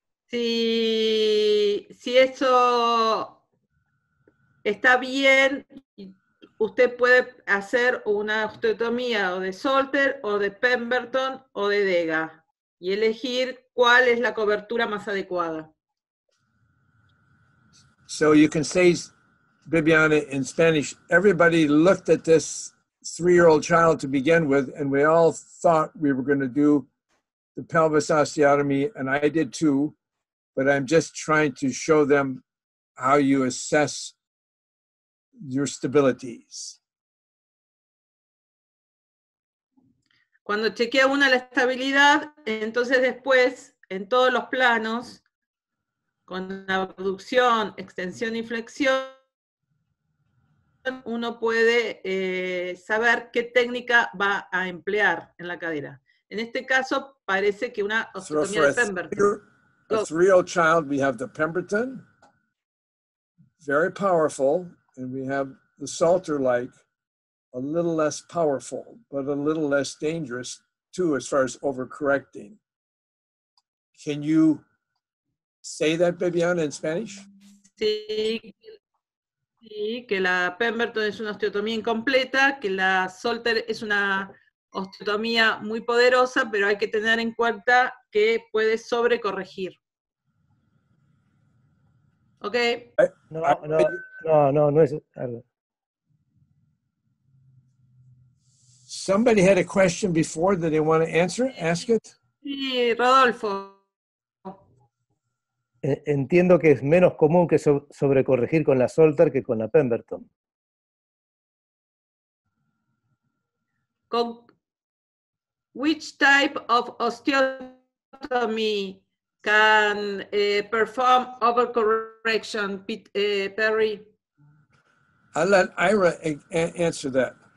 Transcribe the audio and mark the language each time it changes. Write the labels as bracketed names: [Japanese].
[Spanish] Si eso está bien, usted puede hacer una osteotomía o de Solter o de Pemberton o de Dega y elegir cuál es la cobertura más adecuada. [English] So you can say, Bibiana, in Spanish, everybody looked at this three-year-old child to begin with, and we all thought we were going to do the pelvis osteotomy, and I did too, but I'm just trying to show them how you assess your stabilities. [Spanish] Cuando chequea una la estabilidad, entonces después, en todos los planos, con abducción, extensión y flexión, uno puede saber qué técnica va a emplear en la cadera. En este caso, parece que una osteotomía de Pemberton. [English] A three-year-old child, we have the Pemberton, very powerful, and we have the Salter-like, a little less powerful, but a little less dangerous, too, as far as overcorrecting. Can you say that, Bibiana, in Spanish? [Spanish] Sí. Sí, que la Pemberton es una osteotomía incompleta, que la Salter es una osteotomía muy poderosa, pero hay que tener en cuenta que puede sobrecorregir. ¿Ok? No es... [English] Somebody had a question before that they want to answer, ask it. [Spanish] Sí, Rodolfo. Entiendo que es menos común que sobrecorregir con la Salter que con la Pemberton. [English] Con which type of osteotomy can perform overcorrection, Perry? I'll let Ira answer that.